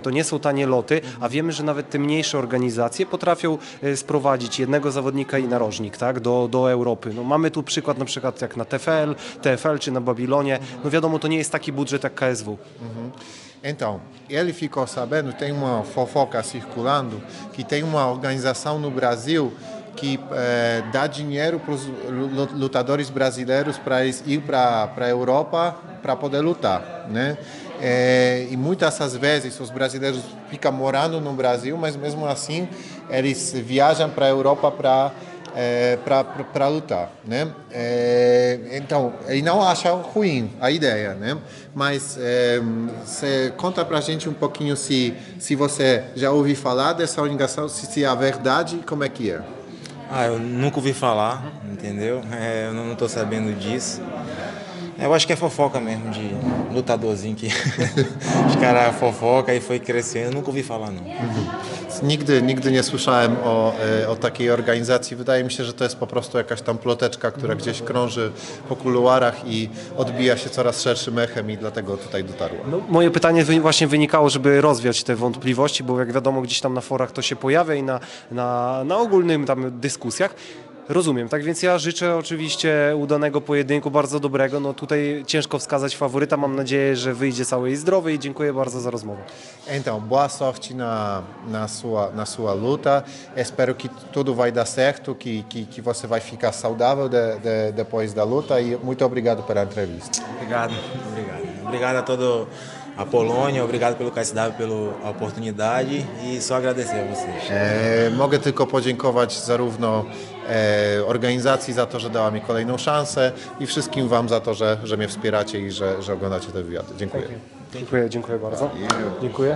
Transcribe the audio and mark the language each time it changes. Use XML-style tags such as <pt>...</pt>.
<pl>To nie są tanie loty, a wiemy, że nawet te mniejsze organizacje potrafią sprowadzić jednego zawodnika i narożnik, tak? Do Europy. No mamy tu przykład, na przykład jak na TFL czy na Babilonie. No wiadomo, to nie jest taki budżet jak KSW.</pl> <pt>Então, ele ficou sabendo, tem uma fofoca circulando, que tem uma organização no Brasil que dá dinheiro para os lutadores brasileiros para eles ir para a Europa para poder lutar, né? E muitas das vezes os brasileiros ficam morando no Brasil, mas mesmo assim eles viajam para a Europa para lutar, né? Então, ele não acha ruim a ideia, né? Mas você conta pra gente um pouquinho se você já ouviu falar dessa organização, se é a verdade, como é que é? Ah, eu nunca ouvi falar, entendeu? É, eu não estou sabendo disso. Eu acho que é fofoca mesmo, de lutadorzinho que os caras fofoca e foi crescendo, nunca ouvi falar não.</pt> <pl>Nigdy nie słyszałem o takiej organizacji. Wydaje mi się, że to jest po prostu jakaś tam ploteczka, która gdzieś krąży po kuluarach i odbija się coraz szerszym echem i dlatego tutaj dotarła. No, moje pytanie właśnie wynikało, żeby rozwiać te wątpliwości, bo jak wiadomo, gdzieś tam na forach to się pojawia i na ogólnym tam dyskusjach. Rozumiem, tak więc ja życzę oczywiście udanego pojedynku, bardzo dobrego. No tutaj ciężko wskazać faworyta, mam nadzieję, że wyjdzie cały i zdrowy i dziękuję bardzo za rozmowę.</pl> <pt>Então, boa sorte na sua luta. Espero que tudo vai dar certo, que você vai ficar saudável depois da luta e muito obrigado pela entrevista. Obrigado a todo a Polonia, obrigado pelo KSW, pela oportunidade e só agradecer a vocês.</pt> <pl>Mogę tylko podziękować zarówno organizacji za to, że dała mi kolejną szansę i wszystkim wam za to, że mnie wspieracie i że oglądacie te wywiady. Dziękuję. Dziękuję bardzo. Dziękuję.</pl>